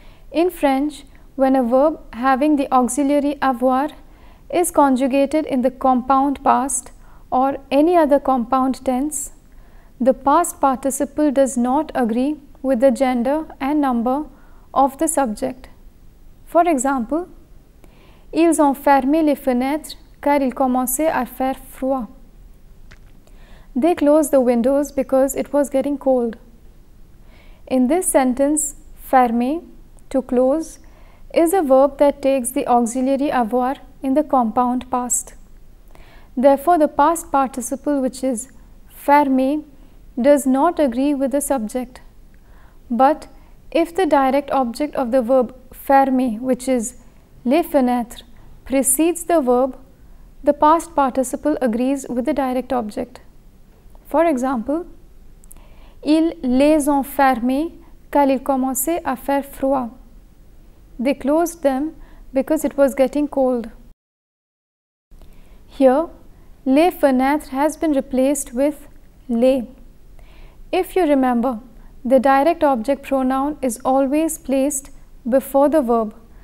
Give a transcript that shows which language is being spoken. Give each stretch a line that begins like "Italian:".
English: In French, when a verb having the auxiliary avoir is conjugated in the compound past or any other compound tense, the past participle does not agree with the gender and number of the subject. For example,
French: ils ont fermé les fenêtres car il commençait à faire froid.
English: They closed the windows because it was getting cold. In this sentence, fermer, to close, is a verb that takes the auxiliary avoir in the compound past. Therefore, the past participle, which is fermer, does not agree with the subject. But if the direct object of the verb fermer, which is les fenêtres, precedes the verb, the past participle agrees with the direct object. For example,
French: ils les ont fermés car il commençait à faire froid.
English: They closed them because it was getting cold. Here, les fenêtres has been replaced with les. If you remember, the direct object pronoun is always placed before the verb.